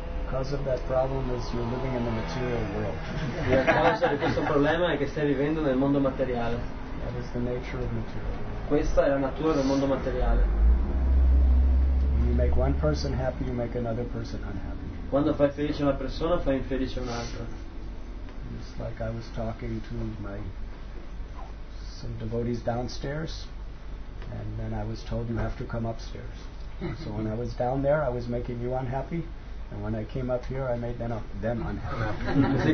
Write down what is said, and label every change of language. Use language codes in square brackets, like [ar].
[en] Cause of that problem is you're living in the material world. [it] La causa di questo problema è che stai vivendo nel mondo materiale. [en] That is the nature of material. [it] Questa è la natura del mondo materiale. [en] Make one person happy, you make another person unhappy. [it] Quando fai felice una persona, fai infelice un'altra. [en] It's like I was talking to some devotees downstairs, and then I was told you have to come upstairs. So when I was down there, I was making you unhappy, and when I came up here, I made them unhappy.